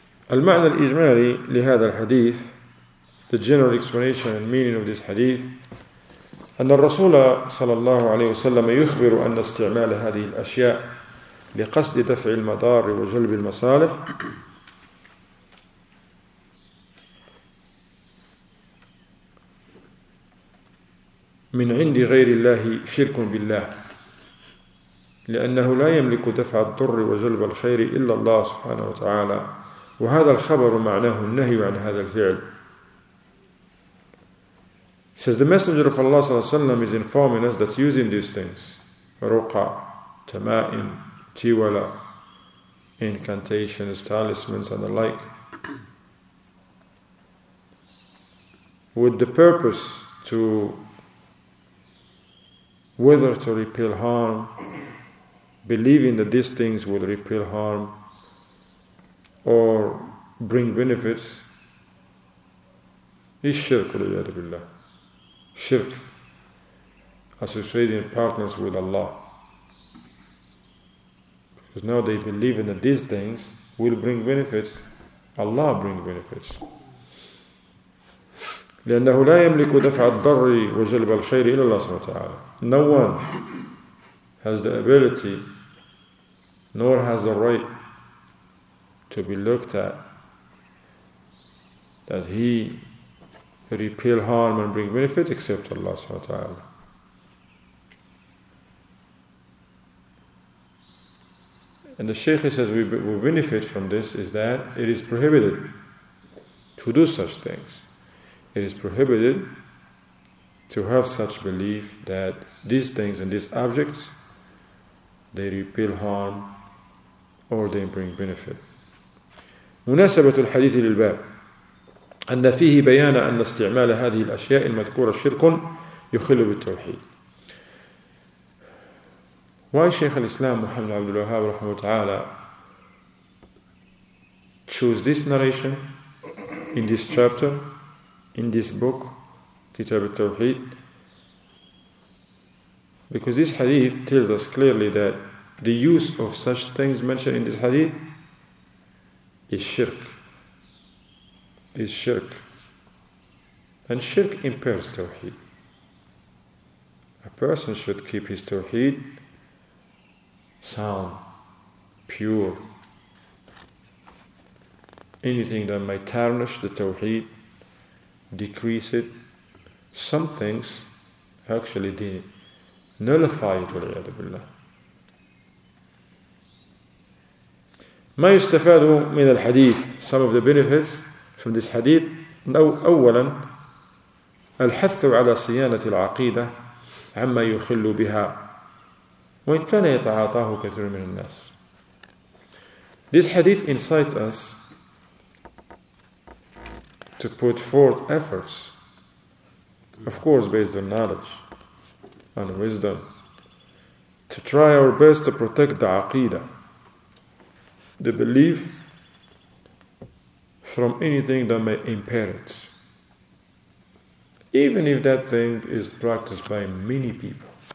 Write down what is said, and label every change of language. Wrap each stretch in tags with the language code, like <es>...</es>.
<ar>المعنى الإجمالي لهذا الحديث,</ar> <en>the general explanation and meaning of this hadith,</en> <ar>أن الرسول صلى الله عليه وسلم يخبر أن استعمال هذه الأشياء لقصد دفع المضار وجلب المصالح من عند غير الله شرك بالله. لأنه لا يملك دفع الضر وجلب الخير إلا الله سبحانه وتعالى. وهذا الخبر معناه النهي عن هذا الفعل.</ar> <en>Says the Messenger of Allah صلى الله عليه وسلم is informing us that using these things, رقى, تمائم, تيولا, incantations, talismans and the like, with the purpose to whether to repel harm, believing that these things will repel harm or bring benefits, is shirk,</en> <ar>وليعوذ بالله.</ar> <en>Shirk, associating partners with Allah. Because now they believe in that these things will bring benefits, Allah brings benefits.</en> <ar>لأنه لا يملك دفع الضر وجلب الخير إلى الله سبحانه وتعالى.</ar> <en>No one has the ability nor has the right to be looked at that he repel harm and bring benefit except Allah subhanahu wa ta'ala. And the Shaykh says we benefit from this is that it is prohibited to do such things. It is prohibited to have such belief that these things and these objects, they repel harm or they bring benefit.</en> <ar>مناسبة الحديث للباب أن فيه بيان أن استعمال هذه الأشياء المذكورة شرك يخل بالتوحيد.</ar> <en>Why Shaykh al-Islam Muhammad Abdul Wahhab رحمه تعالى choose this narration in this chapter, in this book, Kitab al-Tawheed? Because this hadith tells us clearly that the use of such things mentioned in this hadith is shirk. Is shirk. And shirk impairs tawheed. A person should keep his tawheed sound, pure. Anything that might tarnish the tawheed, decrease it, some things actually nullify it,</en> <ar>وَلَعَيَدَ بِاللَّهِ. ما يستفاد من الحديث,</ar> <en>some of the benefits from this hadith,</en> <ar>أولا الحث على صيانة العقيدة عما يخل بها وإن كان يتعاطاه كثير من الناس.</ar> <en>This hadith incites us to put forth efforts, of course based on knowledge and wisdom, to try our best to protect the aqeedah, the belief, from anything that may impair it, even if that thing is practiced by many people.</en>